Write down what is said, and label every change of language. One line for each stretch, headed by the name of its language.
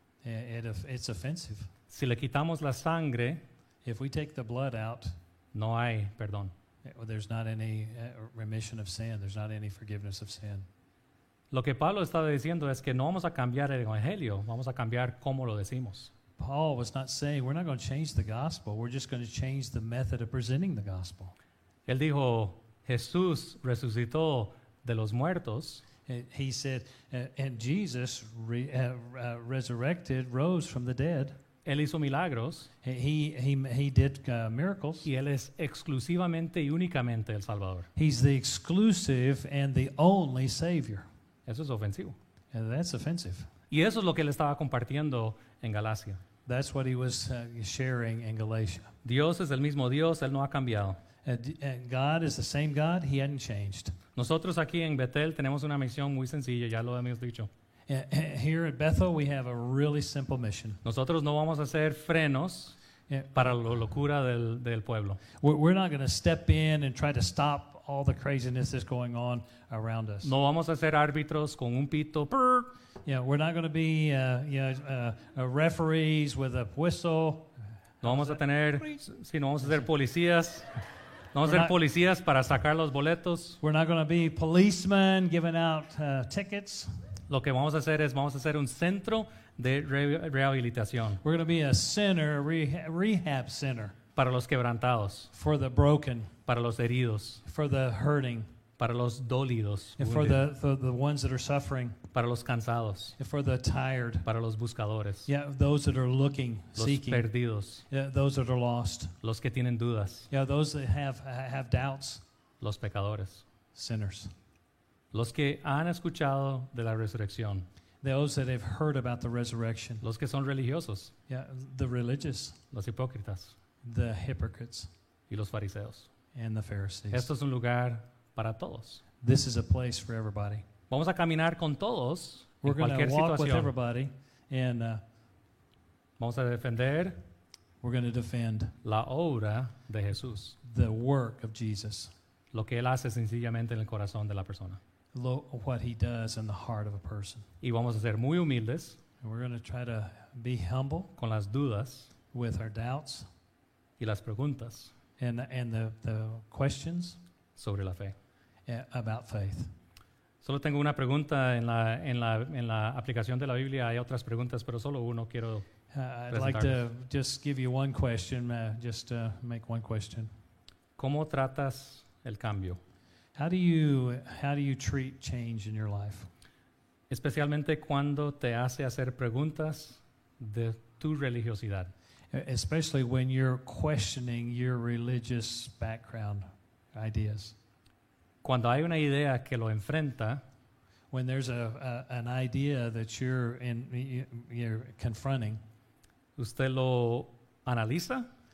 English: It's offensive.
Spanish: Si le quitamos la sangre,
English: if we take the blood out,
Spanish: no hay perdón.
English: There's not any remission of sin. There's not any forgiveness of sin.
Spanish: Lo que Pablo estaba diciendo es que no vamos a cambiar el evangelio. Vamos a cambiar cómo lo decimos.
English: Paul was not saying we're not going to change the gospel. We're just going to change the method of presenting the gospel.
Spanish: Él dijo, Jesús resucitó de los muertos.
English: He said, and Jesus resurrected, rose from the dead.
Spanish: Él hizo milagros.
English: He did miracles.
Spanish: Y él es exclusivamente y únicamente el Salvador.
English: He's the exclusive and the only Savior.
Spanish: Eso es ofensivo.
English: And that's offensive.
Spanish: Y eso es lo que él estaba compartiendo en Galacia.
English: That's what he was sharing in Galatia.
Spanish: Dios es el mismo Dios, él no ha cambiado.
English: And God is the same God. He hadn't changed.
Spanish: Nosotros aquí en Bethel tenemos una misión muy sencilla. Ya lo habíamos dicho.
English: Here at Bethel, we have a really simple mission.
Spanish: Nosotros no vamos a hacer frenos para la locura del pueblo.
English: We're not going to step in and try to stop all the craziness that's going on around us.
Spanish: No vamos a ser árbitros con un pito.
English: Yeah, we're not going to be referees with a whistle.
Spanish: No vamos a ser policías para sacar los boletos.
English: We're not going to be policemen giving out tickets.
Spanish: Lo que vamos a hacer es vamos a hacer un centro de rehabilitación.
English: We're going to be a center, a rehab center.
Spanish: Para los quebrantados.
English: For the broken.
Spanish: Para los heridos.
English: For the hurting.
Spanish: Para los dolidos.
English: And for the ones that are suffering.
Spanish: Para los cansados.
English: And for the tired.
Spanish: Para los buscadores.
English: Yeah, those that are looking,
Spanish: los
English: seeking.
Spanish: Los perdidos.
English: Yeah, those that are lost.
Spanish: Los que tienen dudas.
English: Yeah, those that have doubts.
Spanish: Los pecadores.
English: Sinners.
Spanish: Los que han escuchado de la resurrección.
English: Those that have heard about the resurrection.
Spanish: Los que son religiosos.
English: Yeah, the religious.
Spanish: Los hipócritas.
English: The hypocrites.
Spanish: Y los fariseos.
English: And the Pharisees.
Spanish: Esto es un lugar para todos.
English: This is a place for everybody.
Spanish: Vamos a caminar con todos.
English: We're going to walk with everybody. And
Spanish: vamos a defender.
English: We're going to defend.
Spanish: La obra de Jesús.
English: The work of Jesus.
Spanish: Lo que él hace sencillamente en el corazón de la persona.
English: What he does in the heart of a person.
Spanish: Y vamos a ser muy humildes.
English: And we're going to try to be humble.
Spanish: Con las dudas.
English: With our doubts.
Spanish: Y las preguntas.
English: And the questions.
Spanish: Sobre la fe.
English: About faith.
Spanish: Solo tengo una pregunta en la aplicación de la Biblia. Hay otras preguntas, pero solo uno quiero
English: I'd like to just give you one question. Make one question.
Spanish: ¿Cómo tratas el cambio?
English: How do you treat change in your life?
Spanish: Especialmente cuando te hace hacer preguntas de tu religiosidad.
English: Especially when you're questioning your religious background ideas.
Spanish: Cuando hay una idea que lo enfrenta,
English: when there's an idea that you're confronting,
Spanish: ¿usted lo analiza?